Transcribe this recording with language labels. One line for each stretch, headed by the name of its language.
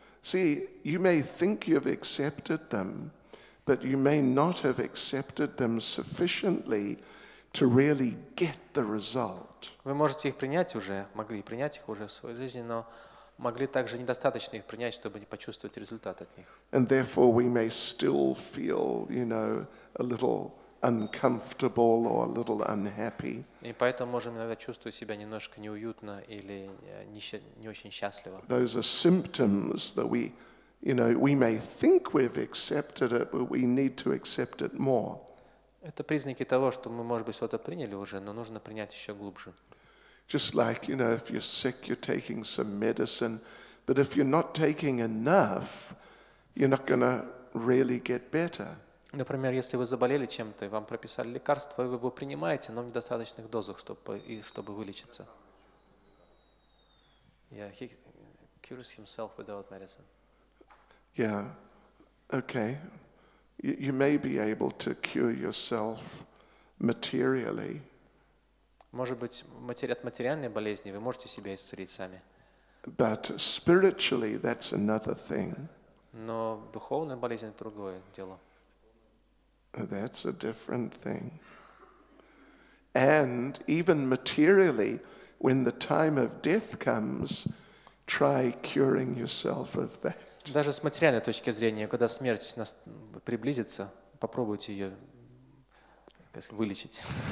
English: See, you may think you've accepted them, but you may not have accepted them sufficiently to really get the result.
Russian: Вы можете их принять уже, могли принять их уже в своей жизни, но могли также недостаточно их принять, чтобы не почувствовать результат от них.
English: And therefore we may still feel, you know, a little uncomfortable or a little unhappy.
Russian: И поэтому можем иногда чувствовать себя немножко неуютно или не очень счастливо.
English: Those are symptoms that we, you know, we may think we've accepted it, but we need to accept it more.
Russian: Это признаки того, что мы, может быть, что-то приняли уже, но нужно принять еще глубже.
English: Just like, you know, if you're sick, you're taking some medicine, but if you're not taking enough, you're not going to really get better.
Russian: Например, если вы заболели чем-то, и вам прописали лекарство, и вы его принимаете, но в недостаточных дозах, чтобы вылечиться.
English: Yeah, he cures himself without medicine. Yeah, okay. You may be able to cure yourself materially.
Russian: Может быть, от материальной болезни вы можете себя исцелить сами.
English: But spiritually, that's another thing.
Russian: Но духовная болезнь — это другое дело.
English: That's a different thing. And even materially, when the time of death comes, try curing yourself of that.
Russian: Даже с материальной точки зрения, когда смерть нас приблизится, попробуйте ее, так сказать, вылечить.